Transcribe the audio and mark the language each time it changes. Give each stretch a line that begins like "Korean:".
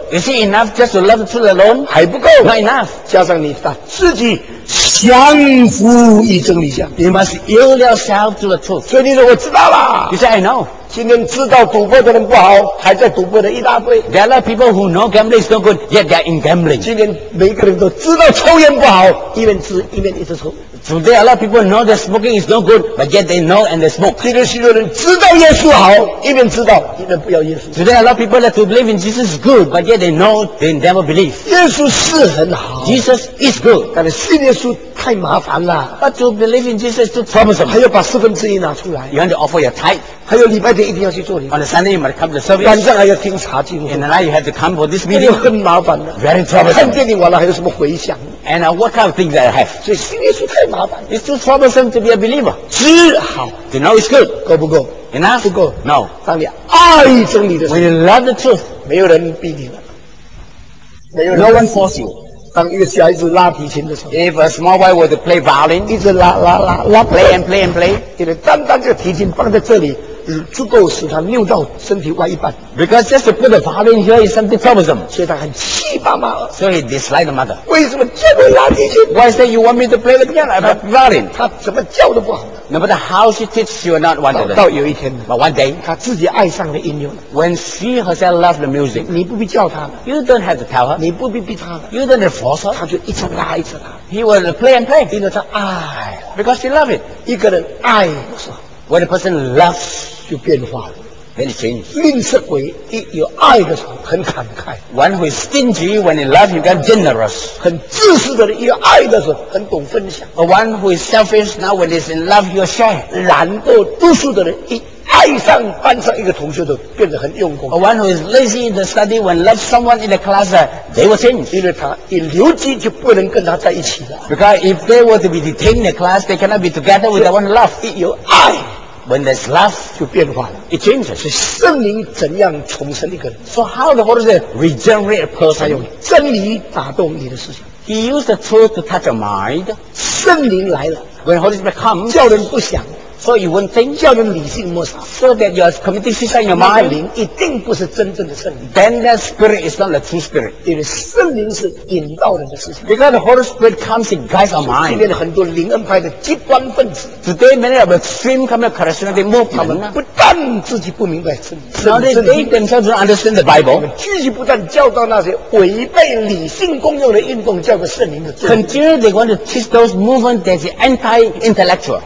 English: Is it enough just to love the truth alone?
Chinese: 还不够。
English: Not enough.
Chinese: 加上你把自己降服于真理下。
English: You must yield yourself to the truth.
Chinese: 所以你说我知道了。
English: You say I know.
Chinese: 今天知道赌博的人不好，还在赌博的一大堆。
English: There are people who know gambling is no good, yet they are in gambling.
Chinese: 今天每个人都知道抽烟不好，一边吃一边一直抽。
English: Today a lot of people know that smoking is no good, but yet they know and they smoke.
Chinese: 今天许多人知道耶稣好，一边知道一边不要耶稣。
English: Today a lot of people that to believe in Jesus is good, but yet they know they never believe.
Chinese: 耶稣是很好。
English: Jesus is good.
Chinese: 但是信耶稣太麻烦了。
English: But to believe in Jesus is too troublesome.
Chinese: 还要把四分之一拿出来。
English: You have to offer your tithe.
Chinese: 还有礼拜天一定要去做礼拜。
English: On the Sunday you must come to the service.
Chinese: 晚上还要听查经。
English: And now you have to come for this meeting.
Chinese: 很麻烦的。
English: Very troublesome.
Chinese: 看电影完了还有什么回响？
English: And what kind of things that I have?
Chinese: 所以信耶稣太麻烦。
English: It's too troublesome to be a believer.
Chinese: 知好。
English: To know is good.
Chinese: 够不够？
English: Enough?
Chinese: 不够。
English: No.
Chinese: 当你爱真理的时候。
English: When you love the truth.
Chinese: 没有人逼你了。没有人。
English: No one force you.
Chinese: 当一个小孩子拉提琴的时候。
English: If a small boy were to play violin.
Chinese: 一直拉拉拉拉。
English: Play and play and play.
Chinese: 因为单单这个提琴放在这里。足够使他扭到身体歪一半。
English: Because just to put the violin here is something troublesome.
Chinese: 所以他很气爸妈。
English: So he dislikes the mother.
Chinese: 为什么叫我拉提琴？
English: Why say you want me to play the piano? I play violin.
Chinese: 他怎么叫都不好。
English: No matter how she teaches, she will not want to learn.
Chinese: 到有一天，
English: but one day,
Chinese: 他自己爱上了音乐。
English: When she herself loves the music,
Chinese: 你不必叫他了。
English: You don't have to tell her.
Chinese: 你不必逼他了。
English: You don't have to force her.
Chinese: 他就一直拉一直拉。
English: He will play and play.
Chinese: 因为他爱。
English: Because she loves it.
Chinese: 一个人爱不是。
English: When a person loves.
Chinese: 就变化了
English: ，then change.
Chinese: 吝啬鬼一有爱的时候很慷慨
English: ，one who is stingy when he loves you become generous.
Chinese: 很自私的人一有爱的时候很懂分享
English: ，a one who is selfish now when he is in love he will share.
Chinese: 懒惰读书的人一爱上班上一个同学都变得很用功
English: ，a one who is lazy in the study when loves someone in the class they will change.
Chinese: 因为他一留级就不能跟他在一起了
English: ，because if they were to be detained in the class they cannot be together with the one love.
Chinese: 一有爱。
English: When there's love,
Chinese: 就变化了。
English: It changes.
Chinese: 是圣灵怎样重生一个人
English: ？So how the Holy Spirit regenerate a person?
Chinese: 他用真理打动你的思想。
English: He used the truth to touch your mind.
Chinese: 圣灵来了。
English: When Holy Spirit comes,
Chinese: 叫人不想。
English: So you won't think.
Chinese: 叫人理性莫想。
English: So that you are committing suicide in your mind.
Chinese: 那个灵一定不是真正的圣灵。
English: Then that spirit is not the true spirit.
Chinese: 因为圣灵是引导人的思想。
English: Because the Holy Spirit comes in guides our mind.
Chinese: 今天的很多灵恩派的极端分子。
English: Today many of the extreme kind of Christianity movement
Chinese: 不但自己不明白圣经，
English: so they themselves don't understand the Bible.
Chinese: 继续不断教导那些违背理性功用的运动，叫做圣灵的。
English: Continue they want to teach those movement that is anti-intellectual.